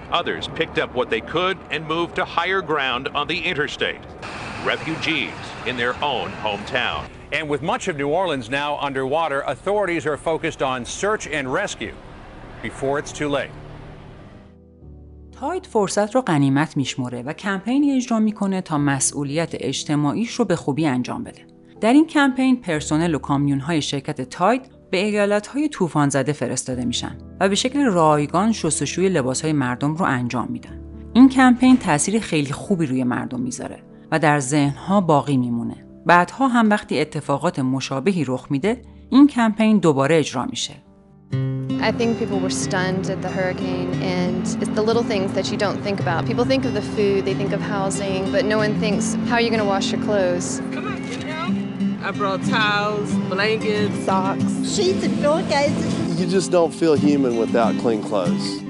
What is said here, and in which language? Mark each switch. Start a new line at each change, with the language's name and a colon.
English: Others picked up what they could and moved to higher ground on the interstate. Refugees in their own hometown. And with much of New Orleans now underwater, authorities are focused on search and rescue before it's too late.
Persian: تاید فرصت رو غنیمت میشموره و کمپینی اجرا میکنه تا مسئولیت اجتماعیش رو به خوبی انجام بده. در این کمپین پرسنل و کامیون‌های شرکت تاید به ایالت‌های طوفان زده فرستاده میشن و به شکل رایگان شستشوی لباس‌های مردم رو انجام میدن. این کمپین تأثیر خیلی خوبی روی مردم میذاره و در ذهن‌ها باقی میمونه. بعدها هم وقتی اتفاقات مشابهی رخ میده، این کمپین دوباره اجرا میشه.
English: I think people were stunned at the hurricane and it's the little things that you don't think about. People think of the food, they think of housing, but no one thinks how are you going to wash your clothes? I brought towels, blankets, socks, sheets and pillowcases. You just don't feel human without clean clothes.